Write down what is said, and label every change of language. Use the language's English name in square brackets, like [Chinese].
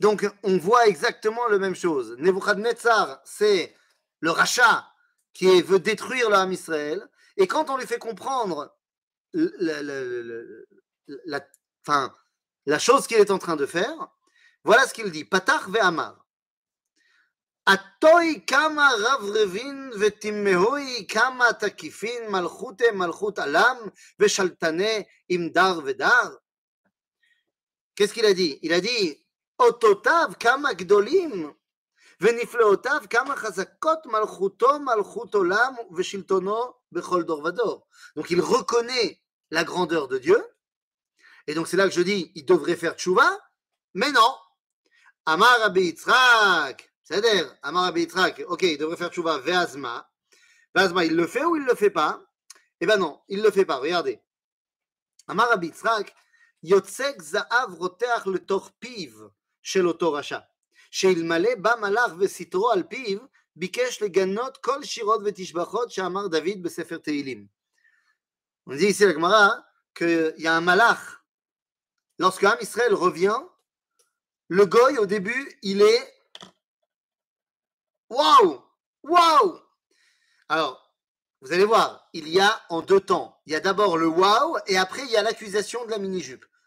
[French] Donc, on voit exactement la même chose. Nebuchadnezzar, c'est le rachat qui veut détruire l'âme Israël. Et quand on lui fait comprendre la chose qu'il est en train de faire, voilà ce qu'il dit. [Aramaic] Patach ve'amar. אתוי כמה רב רבין ותימהוי כמה תקיפין מלכותי מלכות עלם ושלטני עם דר ודר? [French] Qu'est-ce qu'il a dit? Il a dit, [Hebrew] אותותיו כמה גדולים ונפלאותיו כמה חזקות מלכותו מלכות עולם ושלטונו בכל דור ודור. [French] Donc il reconnaît la grandeur de Dieu. Et donc c'est là que je dis, il devrait faire tshuva, mais non. [Hebrew] אמר רבי יצחק, בסדר? אמר רבי יצחק, אוקיי, [French] il devrait faire [Hebrew] תשובה, ואז מה? ואז מה, [French] il le fait ou il le fait pas? Eh ben non, il le fait pas, regardez. [Hebrew] אמר רבי יצחק, יוצק זהב רותח לתוך פיו של אותו רשע, שאלמלא בא מלאך וסתרו על פיו, ביקש לגנות כל שירות ותשבחות שאמר דוד בספר תהילים. [French] On dit ici la Gemara, qu'il y a un malach. Lorsque Am Israël revient, le goy au début, il est waouh, waouh. Alors, vous allez voir, il y a en deux temps. Il y a d'abord le waouh et après il y a l'accusation de la mini-jupe.